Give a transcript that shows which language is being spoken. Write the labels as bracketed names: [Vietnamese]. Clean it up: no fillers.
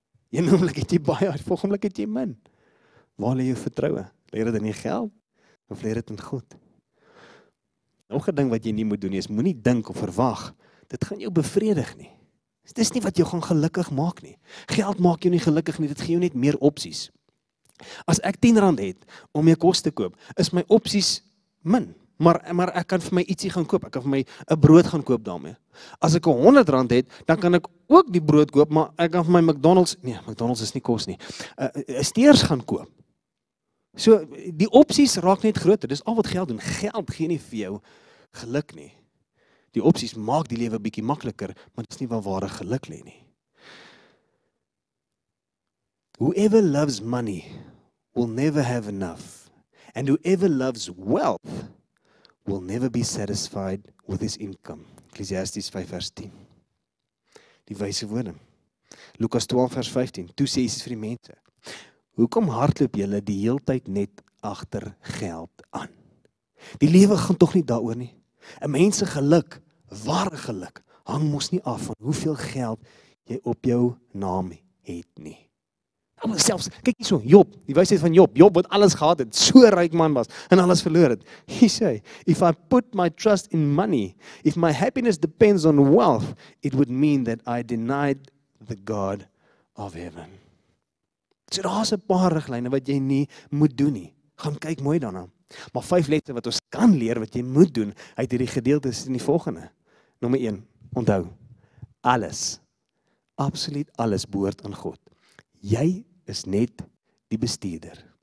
[Afrikaans] Een oomblik het jy baie, volgende oomblik het jy min. Waar lê jou vertroue? Lê dit in die geld, of lê dit in God? Nog 'n ding wat jy nie moet doen nie, is moenie dink of verwag dit gaan jou bevredig nie. Dit is nie wat jou gaan gelukkig maak nie. Geld maak jou nie gelukkig nie, dit gee jou net meer opties. As ek 10 rand het om my kos te koop, is my opties min. Maar ek kan vir my ietsie gaan koop, ek kan vir my 'n brood gaan koop daarmee. As ek 100 rand het, dan kan ek ook die brood koop, maar ek kan vir my McDonald's is nie kos nie, steers gaan koop. So die opties raak net groter, dis al wat geld doen, geld gee nie vir jou geluk nie. Die opties maak die lewe bietjie makliker, maar dis nie waar ware geluk lê nie. [English] Whoever loves money will never have enough, and whoever loves wealth will never be satisfied with his income. [Afrikaans] Ecclesiastes 5 vers 10. Die wyse woorde. Lukas 12 vers 15. Toe sê Jesus vir die mense: "Hoekom hardloop julle die hele tyd net agter geld aan? Die lewe gaan tog nie daaroor nie. 'N Mens se geluk, ware geluk, hang mos nie af van hoeveel geld jy op jou naam het nie." Maar selfs, kyk hierso, Job, die wysheid van Job, Job wat alles gehad het, so ryk man was, en alles verloor het. Hy sê, [English] if I put my trust in money, if my happiness depends on wealth, it would mean that I denied the God of heaven. [Afrikaans] So daar's 'n paar riglyne wat jy nie moet doen nie. Gaan kyk mooi daarna. Maar 5 lesse wat ons kan leer wat jy moet doen uit hierdie gedeelte is in die volgende. Nommer 1, onthou, alles, absoluut alles behoort aan God. Jy is net die bestuurder.